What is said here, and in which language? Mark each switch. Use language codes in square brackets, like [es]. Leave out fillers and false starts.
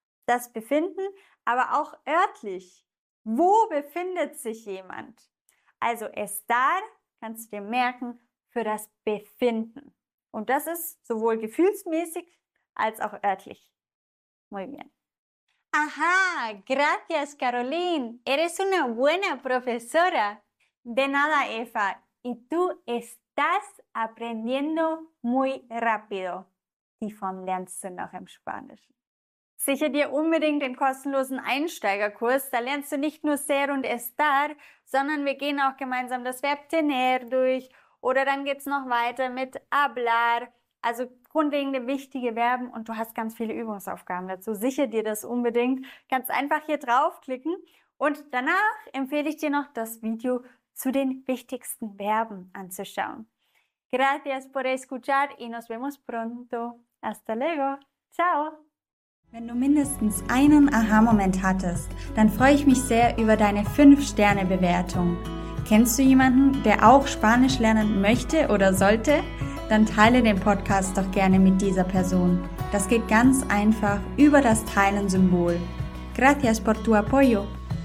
[de] Das Befinden, aber auch örtlich. Wo befindet sich jemand? Also estar, kannst du dir merken, für das Befinden. Und das ist sowohl gefühlsmäßig als auch örtlich. [es] Muy bien. Ajá, gracias, Caroline. Eres una buena profesora. De nada, Eva. Y tú estás aprendiendo muy rápido. [de] Die Form lernst du noch im Spanischen. Sicher dir unbedingt den kostenlosen Einsteigerkurs. Da lernst du nicht nur ser und estar, sondern wir gehen auch gemeinsam das Verb tener durch. Oder dann geht's noch weiter mit hablar. Also grundlegende wichtige Verben und du hast ganz viele Übungsaufgaben dazu. Sicher dir das unbedingt. Ganz einfach hier draufklicken und danach empfehle ich dir noch das Video zu den wichtigsten Verben anzuschauen. [es] Gracias por escuchar y nos vemos pronto. Hasta luego. Ciao. [de] Wenn du mindestens einen Aha-Moment hattest, dann freue ich mich sehr über deine 5-Sterne-Bewertung. Kennst du jemanden, der auch Spanisch lernen möchte oder sollte? Dann teile den Podcast doch gerne mit dieser Person. Das geht ganz einfach über das Teilen-Symbol. [es] Gracias por tu apoyo.